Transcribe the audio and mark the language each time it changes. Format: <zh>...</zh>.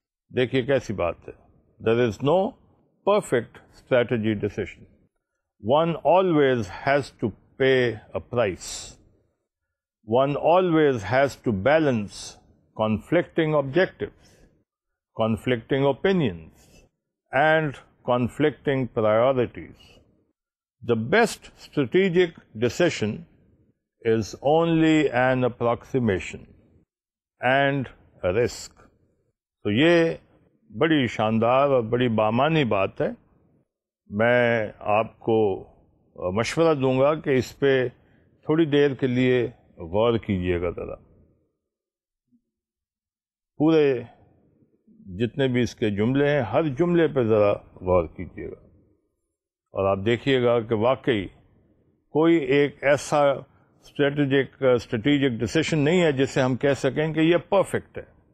<ur>دیکھیے کیسی بات ہے,</ur> <en>There is no perfect strategy decision, one always has to pay a price, one always has to balance conflicting objectives, conflicting opinions and conflicting priorities. The best strategic decision is only an approximation and a risk.</en> <ur>So, یہ بڑی شاندار اور بڑی بامانی بات ہے میں آپ کو مشورہ دوں گا کہ اس پہ تھوڑی دیر کے لیے غور کیجیے گا. ذرا پورے جتنے بھی اس کے جملے ہیں ہر جملے پہ ذرا غور کیجیے گا اور آپ دیکھیے گا کہ واقعی کوئی ایک ایسا اسٹریٹجک ڈیسیشن نہیں ہے جسے ہم کہہ سکیں کہ یہ پرفیکٹ ہے.</ur>